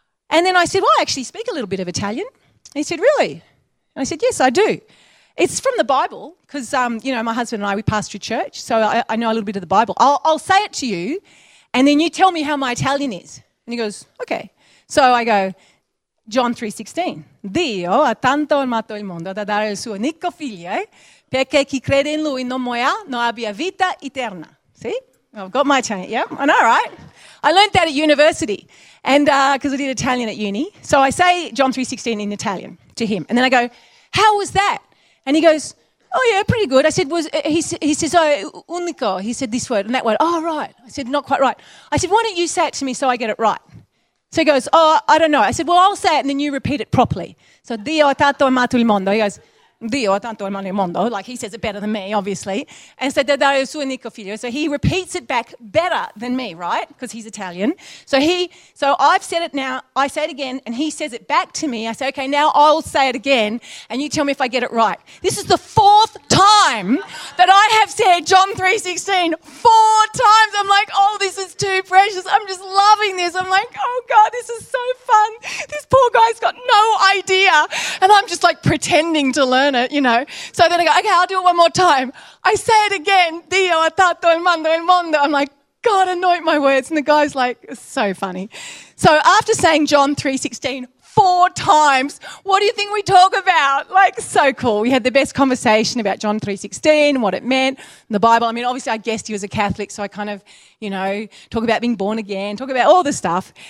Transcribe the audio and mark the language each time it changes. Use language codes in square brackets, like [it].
[en] And then I said, well, I actually speak a little bit of Italian. And he said, really? And I said, yes, I do. It's from the Bible because, you know, my husband and I, we pastor a church, so I know a little bit of the Bible. I'll say it to you and then you tell me how my Italian is. And he goes, okay. So I go, John 3:16. [it] Dio ha tanto amato il mondo da dare il suo unico figlio, perché chi crede in lui non muoia, non abbia vita eterna. [en] See? I've got my Italian. Yeah, I know, right? I learned that at university and because I did Italian at uni. So I say John 3:16 in Italian to him. And then I go, how was that? And he goes, oh, yeah, pretty good. I said, he says, oh, unico. He said this word and that word. Oh, right. I said, not quite right. I said, why don't you say it to me so I get it right? So he goes, oh, I don't know. I said, well, I'll say it and then you repeat it properly. So [it] Dio ha tanto amato il mondo. [en] He goes, [it] Dio ha tanto amato il mondo. [en] Like he says it better than me, obviously. And said, [it] da dare il suo unico figlio. [en] So he repeats it back better than me, right? Because he's Italian. So I've said it now. I say it again and he says it back to me. I say, okay, now I'll say it again and you tell me if I get it right. This is the fourth time that I have said John 3:16 four times. I'm like, oh, this is too precious. I'm just loving this. I'm like, oh, God, this is so fun. This poor guy's got no idea. And I'm just like pretending to learn it, you know. So then I go, okay, I'll do it one more time. I say it again, [it] Dio ha tanto amato il mondo. [en] I'm like, God, anoint my words. And the guy's like, so funny. So after saying John 3:16 four times, what do you think we talk about? Like, so cool. We had the best conversation about John 3:16, what it meant, the Bible. I mean, obviously I guessed he was a Catholic, so I kind of, you know, talk about being born again, talk about all this stuff.